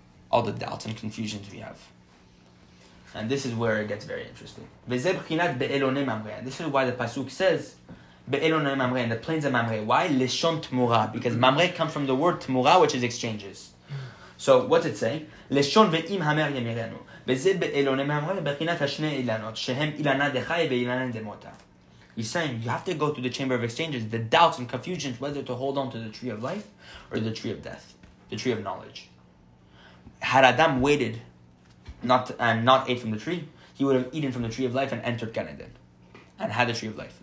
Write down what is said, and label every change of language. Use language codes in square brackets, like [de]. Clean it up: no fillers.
[en] All the doubts and confusions we have. And this is where it gets very interesting. This is why the Pasuk says, Be'elonei Mamre, in the plains of Mamre. Why? Leshon Tmura. Because Mamre comes from the word Tmura, which is exchanges. So what's it say? Leshon ve'im hamer yemirenu. [he] וזה באלוני מהמרי, בחינת השני אילנות, שהם אילנה דחי ואילנה דמותה. [en] He's saying, you have to go to the chamber of exchanges, the doubts and confusions, whether to hold on to the tree of life or the tree of death, the tree of knowledge. Had Adam waited not ate from the tree, he would have eaten from the tree of life and entered Gan Eden and had the tree of life.